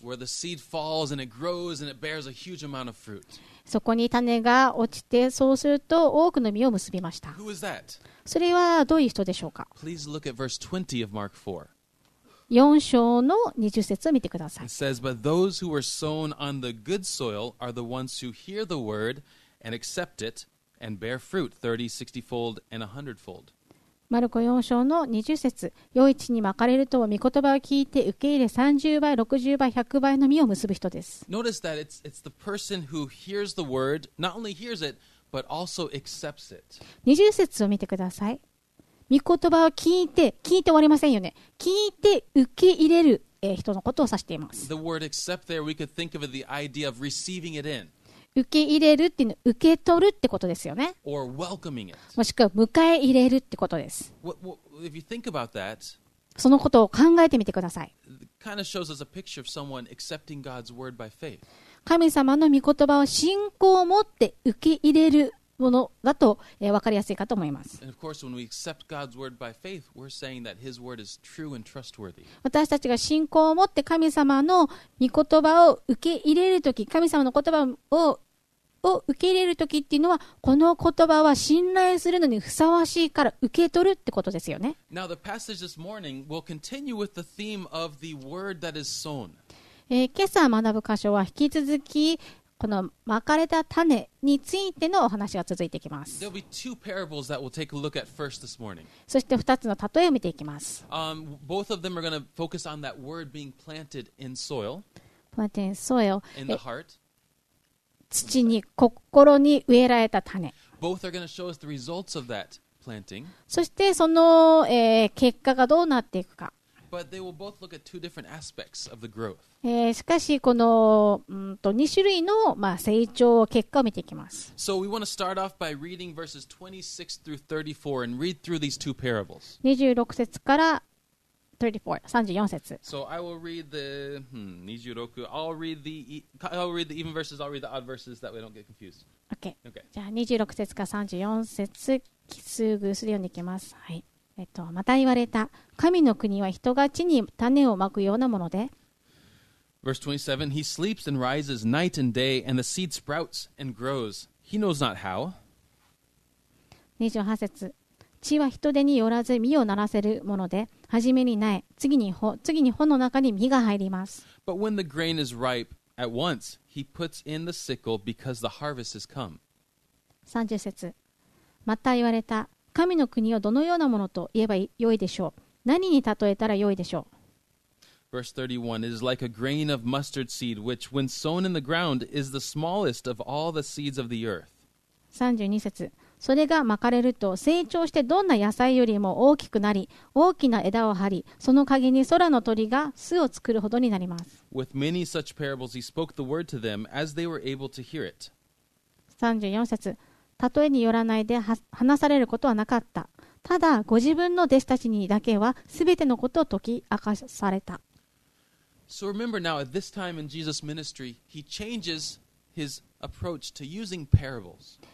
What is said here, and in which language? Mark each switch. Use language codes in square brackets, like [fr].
[en] Where the seed falls and it grows and it bears a huge amount of fruit. [ja] そこに種が落ちて、そうすると多くの実を結びました。それはどういう人でしょうか。 [en] Please look at verse 20 of Mark 4. [ja] 4章の20節を見てください。 [en] It says, But those who were sown on the good soil are the ones who hear the word and accept it and bear fruit 30, 60 fold and 100 fold. [ja] マルコ4章の20節、良い地にまかれると御言葉を聞いて受け入れ30倍60倍100倍の実を結ぶ人です。 [en] Notice that it's the person who hears the word, not only hears it, but also accepts it. [ja] 20節を見てください。御言葉を聞いて終わりませんよね。聞いて受け入れる人のことを指しています。 [en] The word accept there, we could think of the idea of receiving it in. [ja] 受け入れるっていうの、受け取るってことですよね。 [en] Or welcoming it. [ja] もしくは迎え入れるってことです。 [en] Well, if you think about that, [ja] そのことを考えてみてください。 [en] Kind of shows us a picture of someone accepting God's word by faith. [ja] 神様の御言葉を信仰を持って受け入れるものだと、分かりやすいかと思います。 [en] And of course, when we accept God's word by faith, we're saying that His word is true and trustworthy. [ja] 私たちが信仰を持って神様の御言葉を受け入れるとき、神様の言葉 を受け入れるときっていうのは、この言葉は信頼するのにふさわしいから受け取るってことですよね。 [en] Now, the passage this morning will continue with the theme of the word that is sown. [ja] 今朝学ぶ箇所は引き続き、この撒かれた種についてのお話が続いていきます。 [en] There'll be two parables that we'll take a look at first this morning. [ja] そして2つの例えを見ていきます。 [en] Both of them are going to focus on that word being planted in soil. Planted in soil. In the heart. [ja] 土に、心に植えられた種。 [en] Both are going to show us the results of that planting. [ja] そしてその、結果がどうなっていくか。 [en] But they will both look at two different aspects of the growth. [ja] しかしこの、2種類の、成長結果を見ていきます。 [en] So we want to start off by reading verses 26 through 34 and read through these two parables. [ja] 26節から34節。 [en] So I will read the 26. I'll read the even verses. I'll read the odd verses that we don't get confused. Okay. [ja] じゃあ26節から34節、奇数偶数で読んでいきます。はい。また言われた。神の国は人が地に種をまくようなもので。 [en] Verse 27: He sleeps and rises night and day, and the seed sprouts and grows. He knows not how. [ja] 28節：地は人手によらず実をならせるもので、はじめに苗、次に穂の中に実が入ります。 [en] But when the grain is ripe, at once he puts in the sickle because the harvest has come. [ja] 30節：また言われた。神の国をどのようなものと言えばよいでしょう。何に例えたらよいでしょう。 [en] Verse 31: It is like a grain of mustard seed, which, when sown in the ground, is the smallest of all the seeds of the earth. [ja] 32節：それがまかれると成長してどんな野菜よりも大きくなり、大きな枝を張り、その陰に空の鳥が巣を作るほどになります。 [en] With many such parables, he spoke the word to them as they were able to hear it. [ja] 34節。例えによらないで話されることはなかった。ただご自分の弟子たちにだけはすべてのことを解き明かされた。 [en] So remember now, at this time in Jesus' ministry, he changes his approach to using parables.